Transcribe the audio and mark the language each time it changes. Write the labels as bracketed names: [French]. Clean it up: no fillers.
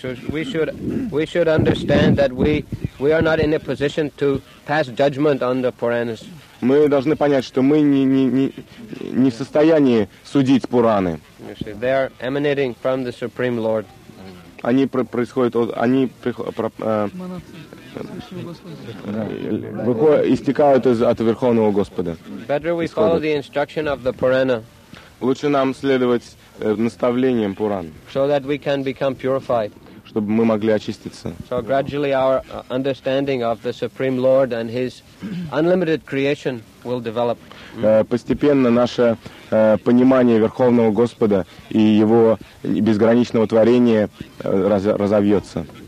[English] We should understand that we are not in a position to pass judgment on the Puranas. [Russian] Мы должны понять, что мы не в состоянии судить Пураны. [English] They are emanating from the Supreme Lord. [Russian] Они происходят, они истекают от Верховного Господа. [English] Better we follow the instruction of the Purana. [Russian] Лучше нам следовать наставлениям Пуран. [English] So that we can become purified. [Russian] Чтобы мы могли очиститься. [English] So gradually our understanding of the Supreme Lord and His unlimited creation will develop. [Russian] Постепенно наше понимание Верховного Господа и Его безграничного творения разовьется.